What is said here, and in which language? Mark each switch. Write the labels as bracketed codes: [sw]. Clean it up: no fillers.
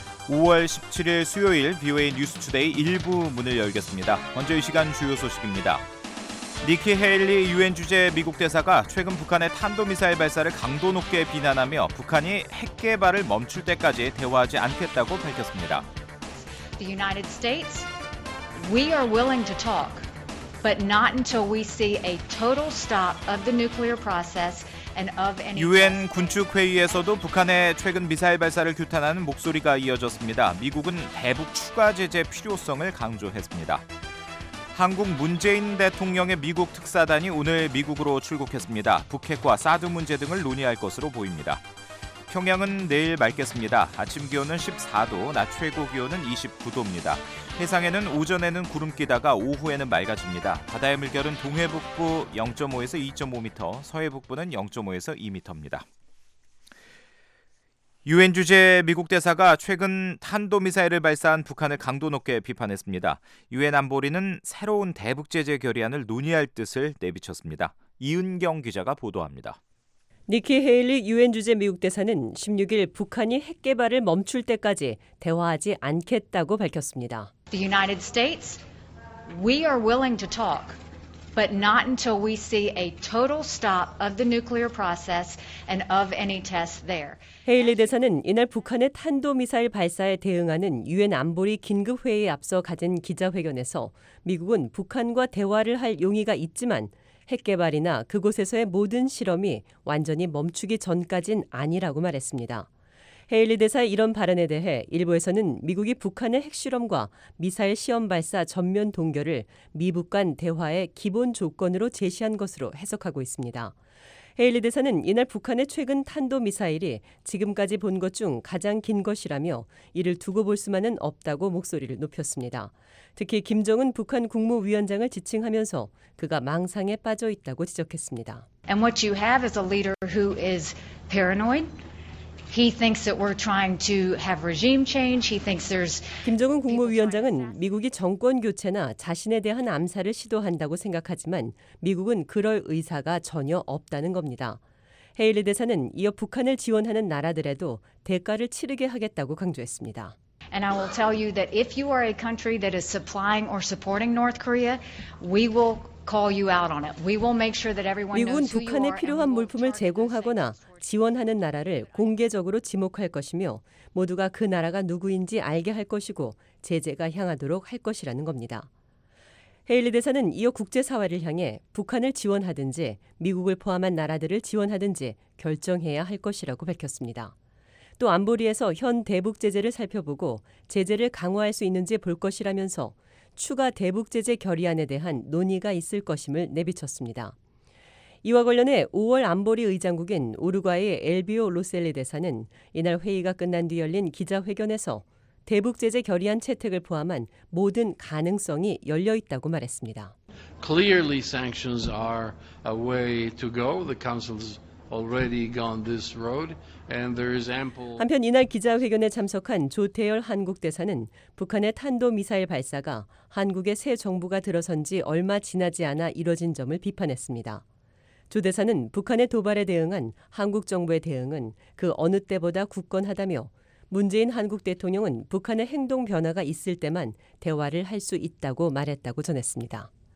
[ko] 5월 17일 수요일 VOA 뉴스 투데이 1부 문을 열겠습니다. 먼저 이 시간 주요 소식입니다. 니키 헤일리 유엔 주재 미국 대사가 최근 북한의 탄도미사일 발사를 강도 높게 비난하며 북한이 핵 개발을 멈출 때까지 대화하지 않겠다고 밝혔습니다. [en] The United States, we are willing to talk, but not until we see a total stop of the nuclear process and of any. [ko] 유엔 군축 회의에서도 북한의 최근 미사일 발사를 규탄하는 목소리가 이어졌습니다. 미국은 대북 추가 제재 필요성을 강조했습니다. 한국 문재인 대통령의 미국 특사단이 오늘 미국으로 출국했습니다. 북핵과 사드 문제 등을 논의할 것으로 보입니다. 평양은 내일 맑겠습니다. 아침 기온은 14도, 낮 최고 기온은 29도입니다. 해상에는 오전에는 구름 끼다가 오후에는 맑아집니다. 바다의 물결은 동해 북부 0.5에서 2.5m, 서해 북부는 0.5에서 2m입니다. 유엔 주재 미국 대사가 최근 탄도미사일을 발사한 북한을 강도 높게 비판했습니다. 유엔 안보리는 새로운 대북 제재 결의안을 논의할 뜻을 내비쳤습니다. 이은경 기자가 보도합니다. 니키 헤일리 유엔 주재 미국 대사는 16일 북한이 핵 개발을 멈출 때까지 대화하지 않겠다고 밝혔습니다. [en] The United States, we are willing to talk. But not until we see a total stop of the nuclear process and of any tests there. [ko] 헤일리 대사는 이날 북한의 탄도미사일 발사에 대응하는 유엔 안보리 긴급회의에 앞서 가진 기자회견에서 미국은 북한과 대화를 할 용의가 있지만 핵개발이나 그곳에서의 모든 실험이 완전히 멈추기 전까진 아니라고 말했습니다. 헤일리 대사의 이런 발언에 대해 일부에서는 미국이 북한의 핵실험과 미사일 시험 발사 전면 동결을 미북 간 대화의 기본 조건으로 제시한 것으로 해석하고 있습니다. 헤일리 대사는 이날 북한의 최근 탄도미사일이 지금까지 본 것 중 가장 긴 것이라며 이를 두고 볼 수만은 없다고 목소리를 높였습니다. 특히 김정은 북한 국무위원장을 지칭하면서 그가 망상에 빠져 있다고 지적했습니다. [en] And what you have is a leader who is paranoid. He thinks that we're trying to have regime change. He thinks there's [ko] 김정은 국무위원장은 미국이 정권 교체나 자신에 대한 암살을 시도한다고 생각하지만 미국은 그럴 의사가 전혀 없다는 겁니다. 헤일리 대사는 이어 북한을 지원하는 나라들에도 대가를 치르게 하겠다고 강조했습니다. [en] And I will tell you that if you are a country that is supplying or supporting North Korea, we will call you out on it. We will make sure that everyone knows who you are. [ko] 미국은 북한에 필요한 물품을 제공하거나 지원하는 나라를 공개적으로 지목할 것이며 모두가 그 나라가 누구인지 알게 할 것이고 제재가 향하도록 할 것이라는 겁니다. 헤일리 대사는 이어 국제사회를 향해 북한을 지원하든지 미국을 포함한 나라들을 지원하든지 결정해야 할 것이라고 밝혔습니다. 또 안보리에서 현 대북 제재를 살펴보고 제재를 강화할 수 있는지 볼 것이라면서 추가 대북 제재 결의안에 대한 논의가 있을 것임을 내비쳤습니다. 이와 관련해 5월 안보리 의장국인 우루과이 엘비오 로셀리 대사는 이날 회의가 끝난 뒤 열린 기자회견에서 대북 제재 결의안 채택을 포함한 모든 가능성이 열려 있다고 말했습니다. [en] Clearly, sanctions are a way to go. The council's already gone this road, and there is ample. [ko] 한편 이날 기자회견에 참석한 조태열 한국 대사는 북한의 탄도 미사일 발사가 한국의 새 정부가 들어선 지 얼마 지나지 않아 이뤄진 점을 비판했습니다. 조 대사는 북한의 도발에 대응한 한국 정부의 대응은 그 어느 때보다 굳건하다며 문재인 한국 대통령은 북한의 행동 변화가 있을 때만 대화를 할 수 있다고 말했다고 전했습니다.